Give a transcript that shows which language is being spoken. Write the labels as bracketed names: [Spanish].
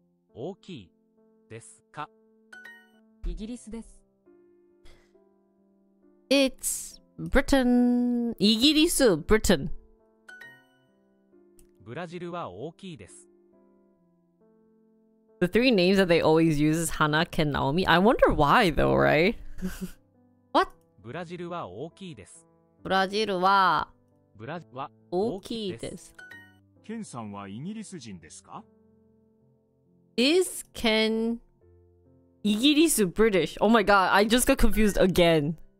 [Japanese] は大きいですか? イギリスです。 [English] It's Britain. [Japanese] イギリス, [English] Britain. [Japanese] ブラジルは大きいです。 [English] The three names that they always use is Hana, Ken, Naomi. I wonder why though, right? What? [Japanese] ブラジルは大きいです。ブラジルは... ブラジルは大きいです。ケンさんはイギリス人ですか? [English] Is Ken [Japanese] イギリス [English] British? Oh my god, I just got confused again.